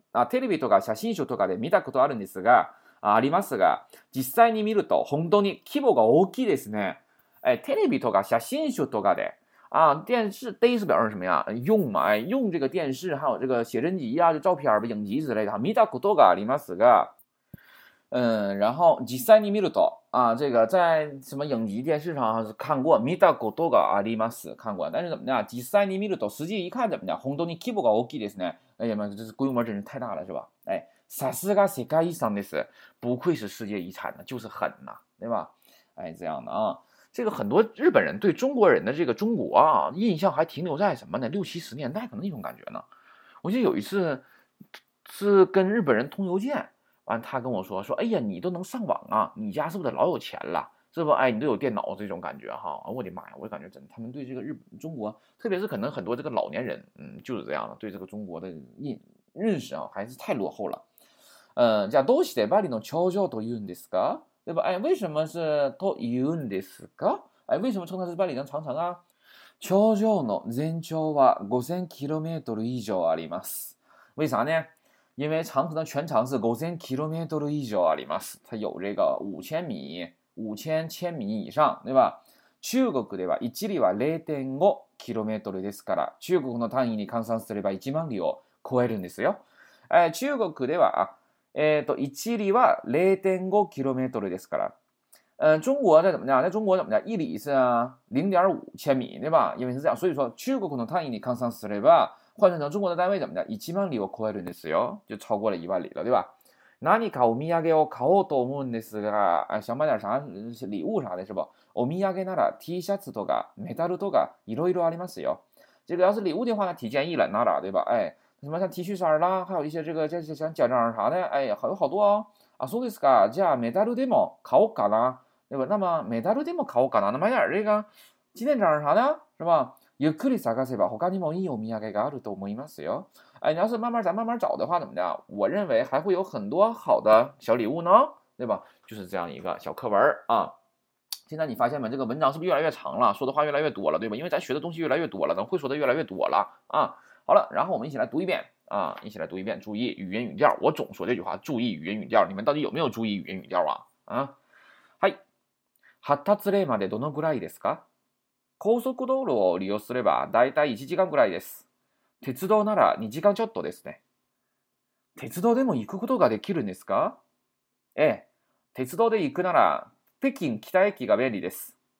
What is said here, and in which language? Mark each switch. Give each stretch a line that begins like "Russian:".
Japanese: テレビとか写真集とかで見たことあるんですが、ありますが、実際に見ると本当に規模が大きいですね。
Chinese: 哎，
Japanese: テレビとか写真集とかで、
Chinese: 电视 days 表示什么呀？用嘛，哎，用这个电视，还有这个写真集啊，就照片儿、影集之类的。
Japanese: 見たことがありますが。
Chinese: 然后
Japanese: 実際に見ると、
Chinese: 这个在什么影集、电视上是看过，
Japanese: 見たことがあります、
Chinese: 看过。但是怎么样？
Japanese: 実際に見ると、
Chinese: 实际一看怎么样？
Japanese: 本当に規模が大きいですね。
Chinese: 哎呀妈，这是规模真是太大了，是吧？
Japanese: 哎，さすが世界遺産です。
Chinese: 不愧是世界遗产呢，就是狠呐，对吧？哎，这样的啊，这个很多日本人对中国人的这个中国啊印象还停留在什么呢？六七十年代可能那种感觉呢。我记得有一次是跟日本人通邮件。完，他跟我说："哎呀，你都能上网啊？你家是不是老有钱了？是不？哎，你都有电脑这种感觉哈？" 我的妈呀！我就感觉真的，他们对这个日本、中国，特别是可能很多这个老年人，就是这样的，对这个中国的认识啊，还是太落后了。
Japanese: じゃあどうしてバリの頂上と言うんですか？
Chinese: 对吧？哎，为什么是
Japanese: と言うんですか？
Chinese: 哎，为什么称它是バリの长城啊？
Japanese: 頂上の全長は5000km 以上あります。
Chinese: 为啥呢？因为长城的全长是5000km 以上啊，里嘛是它有这个5000千米以上，对吧？
Japanese: 中国では一里は0.5km ですから、中国の単位に換算すれば1万里を超えるんですよ。中国では、一里は0.5km ですから。
Chinese: 中国在怎么讲？在中国怎么讲？一里是0.5千米，对吧？因为是这样，所以说
Japanese: 中国の単位に換算すれば。
Chinese: 换算成中国的单位怎么的？
Japanese: 1万里を超えるんですよ，
Chinese: 就超过了1万里了，对吧？
Japanese: 何かお土産を買おうと思うんですが、
Chinese: 想买点啥礼物啥的，是不？
Japanese: お土産なら T シャツとかメダルとかいろいろありますよ。
Chinese: 这个要是礼物的话呢，提建议了，那啦，对吧？哎，什么像 T 恤衫啦，还有一些这个像奖章啥的，哎，还有好多哦。
Japanese: あ、そうですか。じゃあメダルでも買おうかな，
Chinese: 对吧？那么
Japanese: メダルでも買おうかな，
Chinese: 那买点这个纪念章啥的，是吧？
Japanese: ゆっくり探せば他にもいいお土産があると思いますよ。
Chinese: 哎，你要是慢慢找的话，怎么的？我认为还会有很多好的小礼物呢，对吧？就是这样一个小课文啊。现在你发现没？这个文章是不是越来越长了？说的话越来越多了，对吧？因为咱学的东西越来越多了，咱会说的越来越多了啊。好了，然后我们一起来读一遍啊，一起来读一遍。注意语言语调，我总说这句话，注意语言语调。你们到底有没有注意语言语调啊？
Japanese: 発達令までどのぐらいですか？高速道路を利用すればだいたい1時間ぐらいです。鉄道なら2時間ちょっとですね。鉄道でも行くことができるんですか？ええ、鉄道で行くなら北京北駅が便利です。